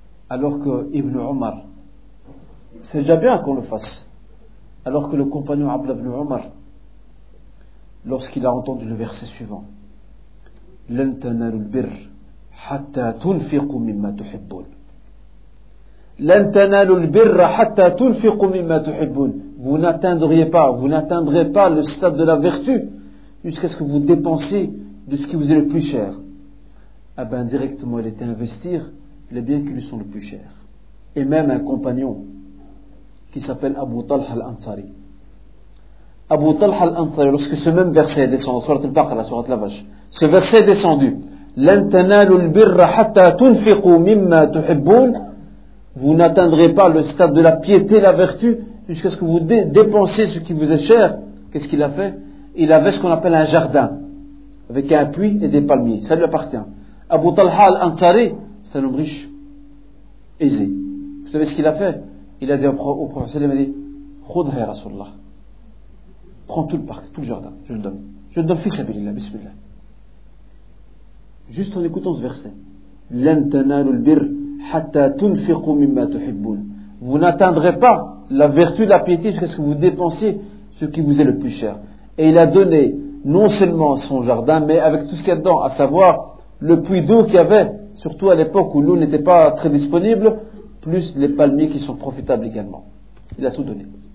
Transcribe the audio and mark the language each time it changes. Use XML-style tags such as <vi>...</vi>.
<fr>Alors que Ibn Omar, c'est déjà bien qu'on le fasse. Alors que le compagnon Abdullah ibn Omar, lorsqu'il a entendu le verset suivant,</fr> <ar>لن تنالوا البر حتى تنفقوا مما تحبون. لن تنالوا البر حتى تنفقوا مما تحبون.</ar> <fr>Vous n'atteindrez pas le stade de la vertu jusqu'à ce que vous dépensiez de ce qui vous est le plus cher. Ah ben directement, il était investir les biens qui lui sont le plus chers. Et même un compagnon qui s'appelle Abu Talha al-Ansari. Abu Talha al-Ansari, lorsque ce même verset est descendu, surat al-Baqarah, surat la vache, ce verset est descendu.</fr> <ar>لن تنالوا البر حتى تنفقوا مما تحبون.</ar> <fr>Vous n'atteindrez pas le stade de la piété, la vertu, jusqu'à ce que vous dépensiez ce qui vous est cher. Qu'est-ce qu'il a fait? Il avait ce qu'on appelle un jardin, avec un puits et des palmiers. Ça lui appartient. Abu Talha al-Ansari, c'est un homme riche, aisé. Vous savez ce qu'il a fait? Il a dit au prophète, il a dit,</fr> <ar>خذها يا رسول الله.</ar> <fr>Prends tout le parc, tout le jardin, je le donne. Je le donne, fils Abilillah, bismillah. Juste en écoutant ce verset.</fr> <ar>لن تنالوا البر حتى تنفقوا مما تحبون.</ar> <fr>Vous n'atteindrez pas la vertu, la piété, jusqu'à ce que vous dépensiez ce qui vous est le plus cher. Et il a donné non seulement son jardin, mais avec tout ce qu'il y a dedans, à savoir le puits d'eau qu'il y avait, surtout à l'époque où l'eau n'était pas très disponible, plus les palmiers qui sont profitables également. Il a tout donné.</fr>